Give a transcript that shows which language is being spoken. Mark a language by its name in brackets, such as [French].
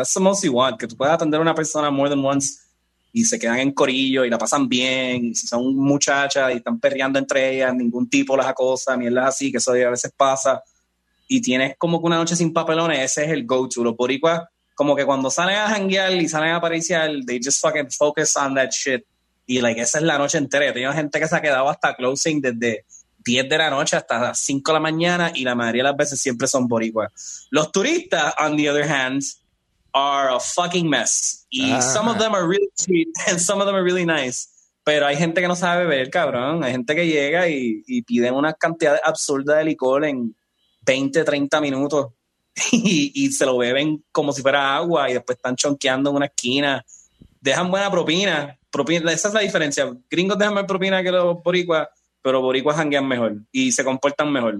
[English] That's the most you want, [Spanish] que tú puedas atender a una persona [English] more than once [Spanish] y se quedan en corillo y la pasan bien, y si son muchachas y están perreando entre ellas, ningún tipo las acosa, mierdas así, que eso a veces pasa, y tienes como que una noche sin papelones, ese es el go-to. Los boricuas como que cuando salen a hanguear y salen a apariciar, [English] they just fucking focus on that shit, [Spanish] y like esa es la noche entera. Tengo gente que se ha quedado hasta closing desde 10 de la noche hasta las 5 de la mañana, y la mayoría de las veces siempre son boricuas. Los turistas, [English] on the other hand, are a fucking mess. Y some of them are really sweet and some of them are really nice. [Spanish] Pero hay gente que no sabe beber, cabrón. Hay gente que llega y piden una cantidad absurda de licor en 20, 30 minutos y se lo beben como si fuera agua y después están chonqueando en una esquina. Dejan buena propina. Esa es la diferencia. Gringos dejan más propina que los boricuas, pero boricuas hanguean mejor y se comportan mejor.